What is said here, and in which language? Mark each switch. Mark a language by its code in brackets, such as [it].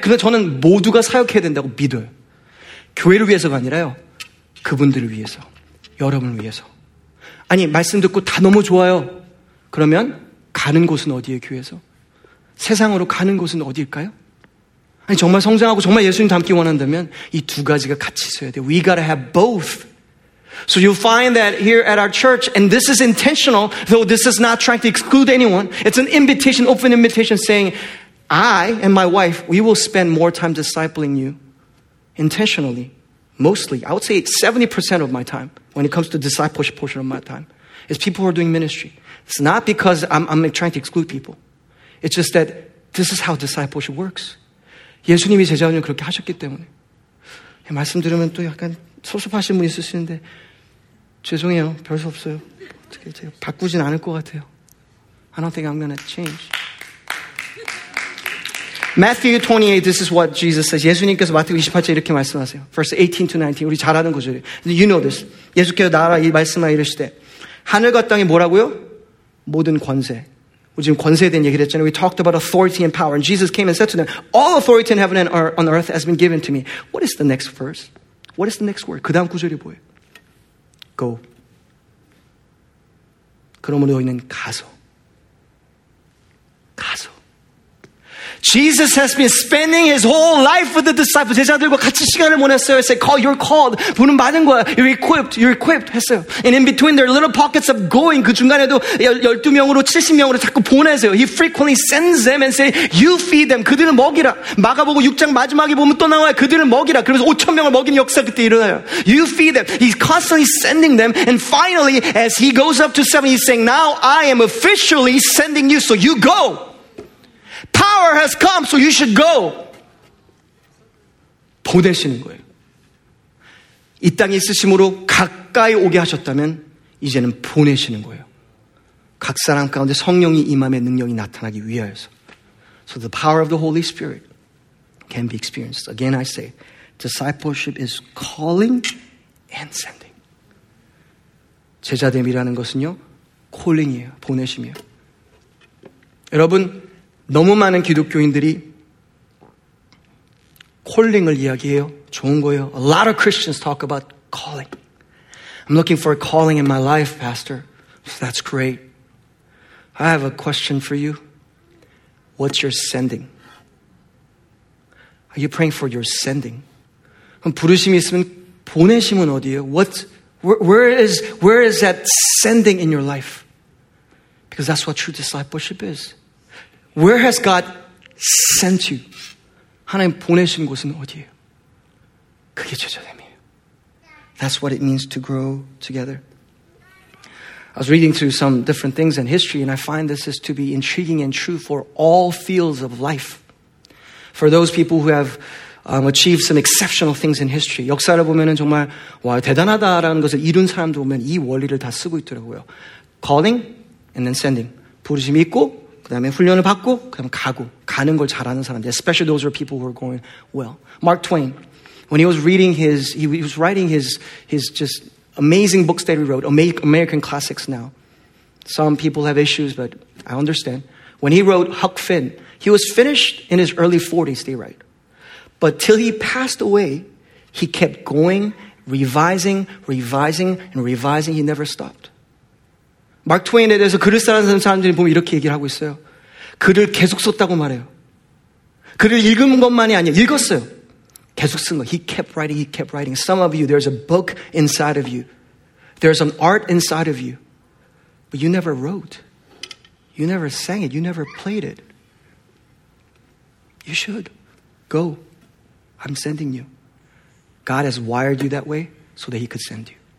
[ko] 근데 저는 모두가 사역해야 된다고 믿어요. 교회를 위해서가 아니라요. 그분들을 위해서. 여러분을 위해서. 아니 말씀 듣고 다 너무 좋아요. 그러면 가는 곳은 어디예요 교회에서? 세상으로 가는 곳은 어디일까요? 아니 정말 성장하고 정말 예수님 닮기 원한다면 이 두 가지가 같이 있어야 돼요. [en] We gotta have both. So you'll find that here at our church, and this is intentional, though this is not trying to exclude anyone. It's an invitation, open invitation saying, I and my wife, we will spend more time discipling you intentionally, mostly. I would say 70% of my time when it comes to discipleship portion of my time is people who are doing ministry. It's not because I'm trying to exclude people. It's just that this is how discipleship works. [ko] 예수님이 제자훈련 그렇게 하셨기 때문에. 말씀 들으면 또 약간 섭섭하신 분 있으시는데 죄송해요. 별 수 없어요. 어떻게 제가 바꾸진 않을 것 같아요. [en] I don't think I'm gonna change. Matthew 28, this is what Jesus says. [ko] 예수님께서 마태 28장 이렇게 말씀하세요. [en] Verse 18 to 19, [ko] 우리 잘 아는 구절이에요. [en] You know this. [ko] 예수께서 나라 이 말씀하 이르시되 하늘과 땅이 뭐라고요? 모든 권세. 우리 지금 권세에 대한 얘기를 했잖아요. [en] We talked about authority and power. And Jesus came and said to them, All authority in heaven and on earth has been given to me. What is the next verse? What is the next word? [ko] 그 다음 구절이 뭐예요? [en] Go. [ko] 그러므로 너희는 가서. 가서. [en] Jesus has been spending his whole life with the disciples. [ko] 제자들과 같이 시간을 보냈어요. [en] Say, call, you're called. [ko] 부름 받은 거야. [en] You're equipped. [ko] 했어요. [en] And in between their little pockets of going, [ko] 그 중간에도 12명으로, 70명으로 자꾸 보내세요. [en] He frequently sends them and say, you feed them. [ko] 그들을 먹이라. 마가보고 6장 마지막에 보면 또 나와요. 그들을 먹이라. 그러면서 5,000명을 먹인 역사 그때 일어나요. [en] You feed them. He's constantly sending them. And finally, as he goes up to 7, he's saying, now I am officially sending you. So you go. Power has come, so you should go. [ko] 보내시는 거예요. 이 땅에 있으심으로 가까이 오게 하셨다면 이제는 보내시는 거예요. 각 사람 가운데 성령이 임함의 능력이 나타나기 위하여서. [en] So the power of the Holy Spirit can be experienced. Again, I say, discipleship is calling and sending. [ko] 제자됨이라는 것은요, calling이에요, 보내심이에요. 여러분, 너무 많은 기독교인들이 콜링을 이야기해요. 좋은 거예요. [en] A lot of Christians talk about calling. I'm looking for a calling in my life, Pastor. So that's great. I have a question for you. What's your sending? Are you praying for your sending? [ko] 그럼 부르심이 있으면 보내심은 어디예요? [en] Where is that sending in your life? Because that's what true discipleship is. Where has God sent you? [ko] 하나님 보내신 곳은 어디예요? 그게 제자됨이에요. [en] That's what it means to grow together. I was reading through some different things in history, and I find this is to be intriguing and true for all fields of life. For those people who have achieved some exceptional things in history. [ko] 역사를 보면 정말 와 대단하다라는 것을 이룬 사람도 보면 이 원리를 다 쓰고 있더라고요. [en] Calling and then sending. [ko] 부르심이 있고 그 다음에 훈련을 받고 그 다음에 가고 가는 걸 잘하는 사람들. [en] Especially those are people who are going well. Mark Twain, when he was reading his, he was writing his just amazing books that he wrote, American classics now. Some people have issues, but I understand. When he wrote Huck Finn, he was finished in his early 40s, they write. But till he passed away, he kept going, revising. He never stopped. [ko] 마크 트웨인에 대해서 글을 쓰라는 사람들이 보면 이렇게 얘기를 하고 있어요. 글을 계속 썼다고 말해요. 글을 읽은 것만이 아니에요. 읽었어요. 계속 쓴 거예요. [en] He kept writing. Some of you, there's a book inside of you. There's an art inside of you. But you never wrote. You never sang it. You never played it. You should. Go. I'm sending you. God has wired you that way so that he could send you.